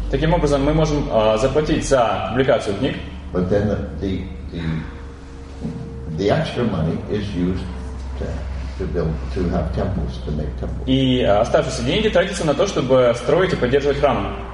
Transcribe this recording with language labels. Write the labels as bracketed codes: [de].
[ru] Таким образом, мы можем заплатить за публикацию книг. [en] But then the extra money is used to have temples, to make temples. [ru] И оставшиеся деньги тратятся на то, чтобы строить и поддерживать храмы.